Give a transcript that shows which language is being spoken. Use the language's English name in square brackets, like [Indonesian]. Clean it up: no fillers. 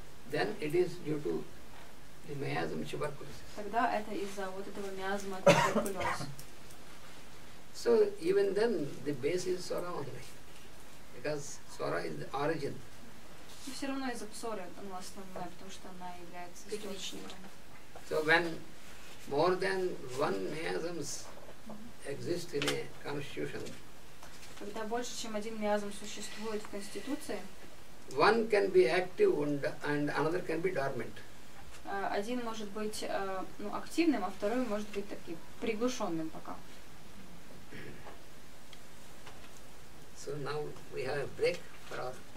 [English] Then it is due to the miasm tuberculosis. [Russian] Тогда это из-за вот этого миазма туберкулез. [English] So even then the base is psora only, because psora is the origin. [Russian] И все равно из-за псоры она основная, потому что она является источником. [English] So when more than one miasms exist in a constitution. [Russian] Когда больше чем один миазм существует в конституции. [English] One can be active and another can be dormant. [Russian] Один может быть ну активным, а второй может быть таким приглушенным пока. [English] So now we have a break for our